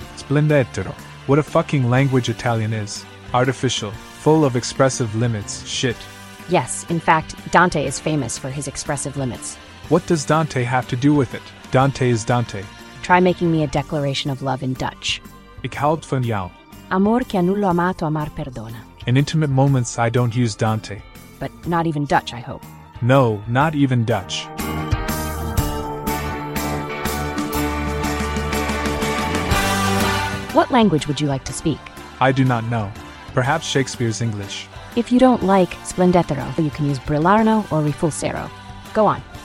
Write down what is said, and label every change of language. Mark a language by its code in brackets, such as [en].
[it] Splendetero. [en] What a fucking language Italian is. Artificial, full of expressive limits, shit. Yes, in fact, Dante is famous for his expressive limits. What does Dante have to do with it? Dante is Dante. Try making me a declaration of love in Dutch. [nl] Ik houd van jou. [it] Amor che nullo amato amar perdona. [en] In intimate moments, I don't use Dante. But not even Dutch, I hope. No, not even Dutch. What language would you like to speak? I do not know. Perhaps Shakespeare's English. If you don't like splendetero, you can use brillarno or rifulsero. Go on.